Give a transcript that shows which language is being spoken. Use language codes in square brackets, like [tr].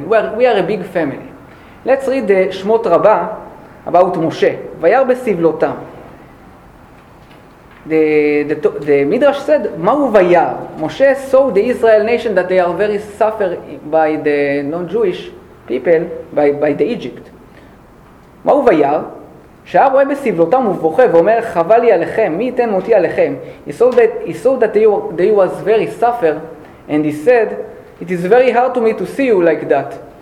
[en] We are a big family. Let's read the Shmot Rabbah about Moshe. [he] Vayar besivlotam. [en] The Midrash said, [he] Mahu vayar. [en] Moshe saw the Israel nation that they are very suffered by the non-Jewish people, by the Egypt. [he] Mahu vayar. שהיה רואה בסבלותם ובוכה ואומר חבל לי עליכם, מי ייתן מותי עליכם? [en] He saw that they was very suffer, and he said, it is very hard to me to see you like that.